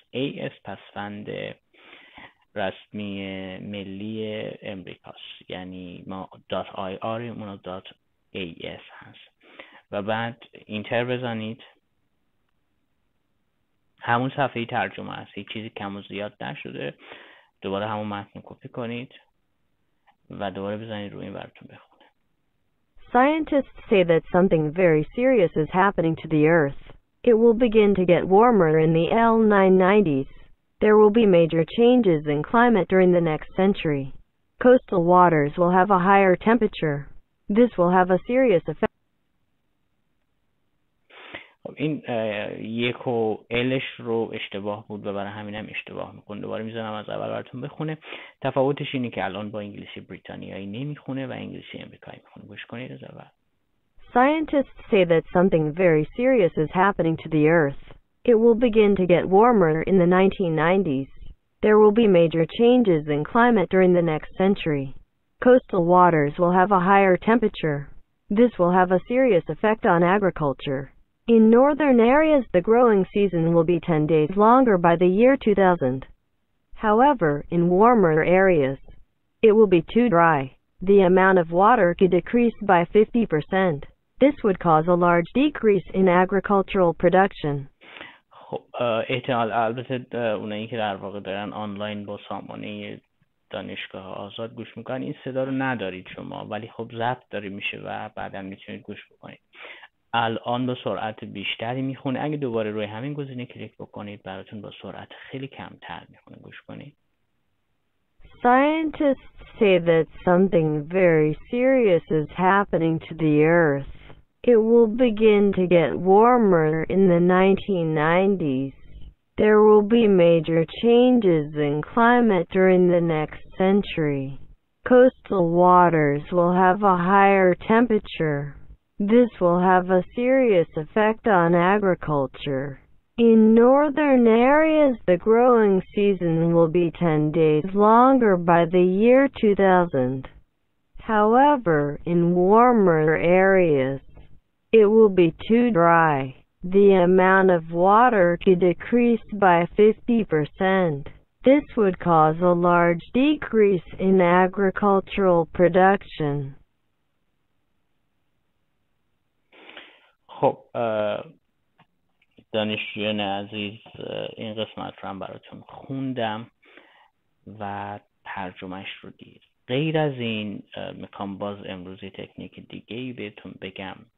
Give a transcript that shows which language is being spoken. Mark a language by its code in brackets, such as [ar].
[fa] AS پسوند رسمی ملی امریکاست، یعنی ما .ir مون و .as هست، و بعد اینتر بزنید. همون صفحه ترجمه هست، یک چیزی کم و زیاد نشده. دوباره همون متن رو کپی کنید و دوباره بزنید روی این براتون بخونه. [en] Scientists say that something very serious is happening to the earth. It will begin to get warmer in the 1990s. There will be major changes in climate during the next century. Coastal waters will have a higher temperature. This will have a serious effect. [fa] خب این یک و الش رو اشتباه بود و برای همین هم اشتباه میکنه. دوباره میزنم از اول براتون بخونه. تفاوتش اینه که الان با انگلیسی بریتانیایی نمیخونه و انگلیسی امریکایی میخونه. گوش کنید از اول. [en] Scientists say that something very serious is happening to the earth. It will begin to get warmer in the 1990s. There will be major changes in climate during the next century. Coastal waters will have a higher temperature. This will have a serious effect on agriculture. In northern areas, the growing season will be 10 days longer by the year 2000. However, in warmer areas, it will be too dry. The amount of water could decrease by 50%. This would cause a large decrease in agricultural production. [fa] خب احتمال، البته اونایی که در واقع دارن آنلاین با سامانه دانشگاه آزاد گوش میکنن، این صدا رو ندارید شما، ولی خب ضبط داری میشه و بعدا میتونید گوش بکنید. الان با سرعت بیشتری میخونه. اگه دوباره روی همین گزینه کلیک بکنید، براتون با سرعت خیلی کمتر میخونه. گوش کنید. [en] Scientists say that something very serious is happening to the earth. It will begin to get warmer in the 1990s. There will be major changes in climate during the next century. Coastal waters will have a higher temperature. This will have a serious effect on agriculture. In northern areas, the growing season will be 10 days longer by the year 2000. However, in warmer areas, it will be too dry. The amount of water could decrease by 50%. This would cause a large decrease in agricultural production. [fa] خب دانشجویان عزیز، این قسمت رو هم براتون خوندم و ترجمهش رو دید. غیر از این میخوام باز امروزی تکنیک دیگه ای بهتون بگم.